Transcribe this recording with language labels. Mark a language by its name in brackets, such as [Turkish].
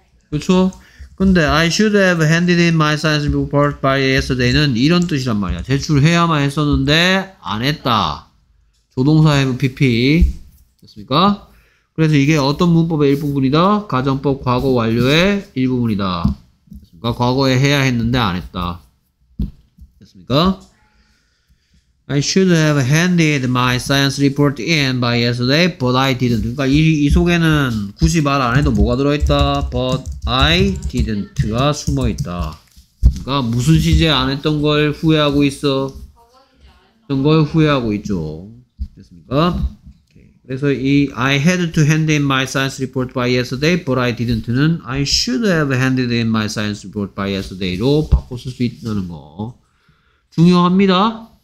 [Korean] 그렇죠? 근데 [English] I should have handed in my science report by yesterday는 [Korean] 이런 뜻이란 말이야. 제출해야만 했었는데 안 했다. 조동사 have pp 됐습니까? 그래서 이게 어떤 문법의 일부분이다? 가정법 과거 완료의 일부분이다. 됐습니까? 과거에 해야 했는데 안 했다. [English] I should have handed my science report in by yesterday, but I didn't. [Korean] 그러니까 이 속에는 굳이 말 안 해도 뭐가 들어있다? [English] But I didn't가 [Korean] 숨어있다. 그러니까 무슨 시제 안 했던 걸 후회하고 있어? 했던 걸 후회하고 있죠. 됐습니까? 그래서 이 [English] I had to hand in my science report by yesterday, but I didn't는 I should have handed in my science report by yesterday로 [Korean] 바꿔 쓸 수 있다는 거. 중요합니다.